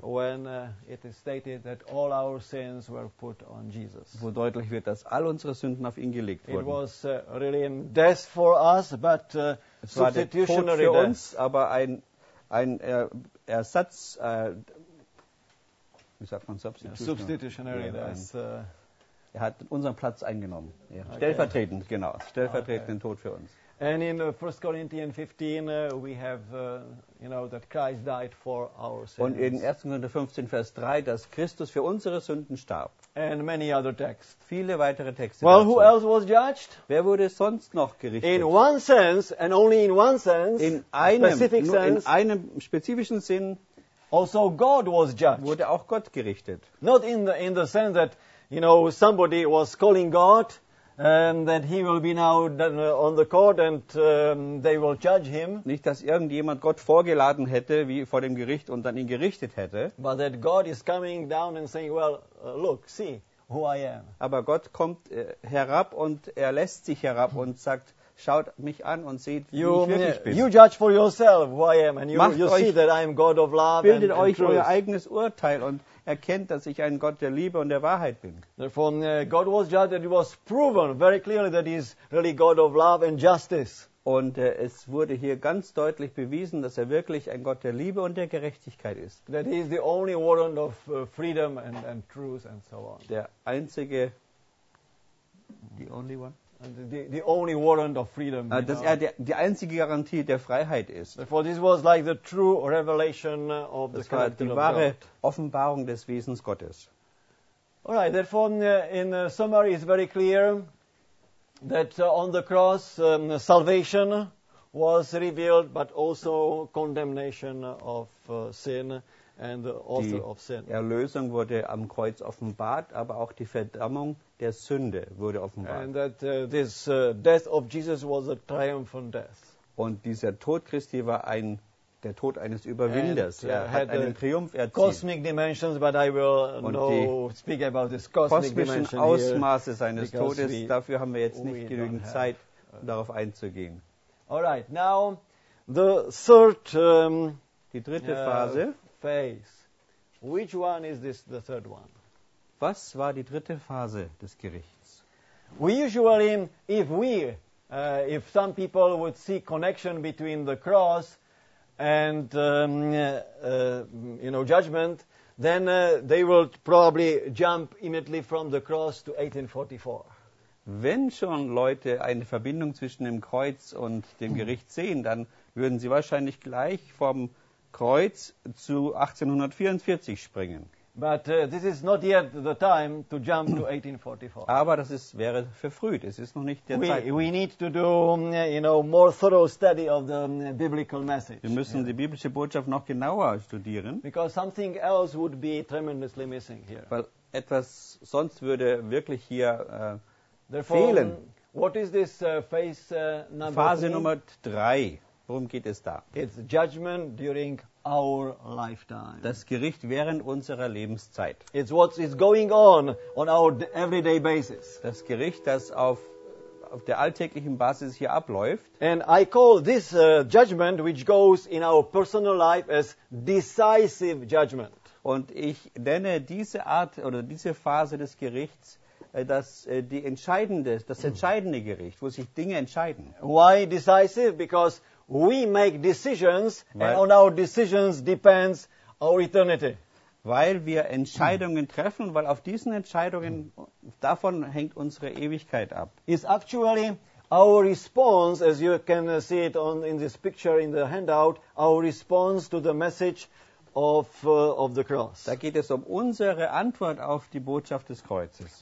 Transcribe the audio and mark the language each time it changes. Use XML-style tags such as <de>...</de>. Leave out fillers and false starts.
<en>When it is stated that all our sins were put on Jesus.</en> <de>Wo deutlich wird, dass all unsere Sünden auf ihn gelegt wurden.</de> <en>It was really a death for us, but substitutionary</en> <de>für uns,</de> <en>death.</en> <de>Aber ein Ersatz, wie sagt man,</de> <en>substitutionary. Ja,</en> <de>er hat unseren Platz eingenommen. Ja. Okay. Stellvertretend, genau. Stellvertretenden</de> <en>okay.</en> <de>Tod für uns.</de> <en>And in 1 Corinthians 15 we have you know that Christ died for our sins.</en> <de>Und in 1. Korinther 15 Vers 3, dass Christus für unsere Sünden starb.</de> <en>And many other texts.</en> <de>Viele weitere Texte.</de> <en>Well, who else was judged?</en> <de>Wer wurde sonst noch gerichtet?</de> <en>In one sense and only in one sense.</en> <de>In einem specific sense, in einem spezifischen Sinn.</de> <en>Also God was judged.</en> <de>Wurde auch Gott gerichtet.</de> <en>Not in the sense that you know somebody was calling God. And that he will be now on the court and they will judge him.</en> <de>Nicht, dass irgendjemand Gott vorgeladen hätte, wie vor dem Gericht und dann ihn gerichtet hätte.</de> <en>But that God is coming down and saying, well, look, see who I am.</en> <de>Aber Gott kommt herab und er lässt sich herab und sagt, schaut mich an und seht, wie</de> <en>you,</en> <de>ich wirklich bin.</de> <en>You judge for yourself who I am and you</en> <de>euch,</de> <en>see that I am God of love.</en> <de>Bildet</de> <en>and</en> <de>euch</de> <en>truth.</en> <de>Euer eigenes Urteil und erkennt, dass ich ein Gott der Liebe und der Wahrheit bin.</de> <en>Therefore, God was judged and it was proven very clearly that he is really God of love and justice.</en> <de>Und es wurde hier ganz deutlich bewiesen, dass er wirklich ein Gott der Liebe und der Gerechtigkeit ist.</de> <en>That he is the only warrant of freedom and truth and so on.</en> <de>Der einzige,</de> <en>the only one. The only warrant of freedom.</en> <de>Dass er die einzige Garantie der Freiheit ist.</de> <en>Therefore, this was like the true revelation of the character of God.</en> <de>Das war die wahre Offenbarung des Wesens Gottes.</de> <en>All right. Therefore, in summary, it's very clear that on the cross, salvation was revealed, but also condemnation of sin and the author of sin.</en> <de>Die Erlösung wurde am Kreuz offenbart, aber auch die Verdammung der Sünde wurde offenbart.</de> <en>And that this death of Jesus was a triumphant death.</en> <de>Und dieser Tod Christi war der Tod eines Überwinders. Er hat einen Triumph erzielt.</de> <en>Cosmic dimensions, but I will not speak about this cosmic dimension here.</en> <de>Kosmischen Ausmaße seines Todes, dafür haben wir jetzt nicht genügend Zeit, darauf einzugehen.</de> <en>All right, now the third</en> <de>die dritte Phase.</de> <en>Phase. Which one is this, the third one?</en> <de>Was war die dritte Phase des Gerichts?</de> <en>We usually, if some people would see connection between the cross and you know judgment, then they will probably jump immediately from the cross to 1844.</en> <de>Wenn schon Leute eine Verbindung zwischen dem Kreuz und dem Gericht sehen, dann würden sie wahrscheinlich gleich vom Kreuz zu 1844 springen.</de> <en>But this is not yet the time to jump to 1844.</en> <de>Aber das wäre verfrüht. Es ist noch nicht der Zeitpunkt.</de> <en>We need to do, you know, more thorough study of the biblical message.</en> <de>Wir müssen die biblische Botschaft noch genauer studieren.</de> <en>Because something else would be tremendously missing here.</en> <de>Weil etwas sonst würde wirklich hier fehlen.</de> <en>What is this phase number? Phase three?</en> <de>Nummer 3. Worum geht es da?</de> <en>It's judgment during our lifetime.</en> <de>Das Gericht während unserer Lebenszeit.</de> <en>It's what is going on our everyday basis.</en> <de>Das Gericht, das auf der alltäglichen Basis hier abläuft.</de> <en>And I call this judgment, which goes in our personal life, as decisive judgment.</en> <de>Und ich nenne diese Art oder diese Phase des Gerichts das entscheidende Gericht, wo sich Dinge entscheiden.</de> <en>Why decisive? Because we make decisions, and on our decisions depends our eternity.</en> <de>Weil wir Entscheidungen treffen, weil auf diesen Entscheidungen davon hängt unsere Ewigkeit ab.</de> <en>It's actually our response, as you can see it in this picture in the handout, our response to the message of the cross.</en> <de>Da geht es um unsere Antwort auf die Botschaft des Kreuzes.</de>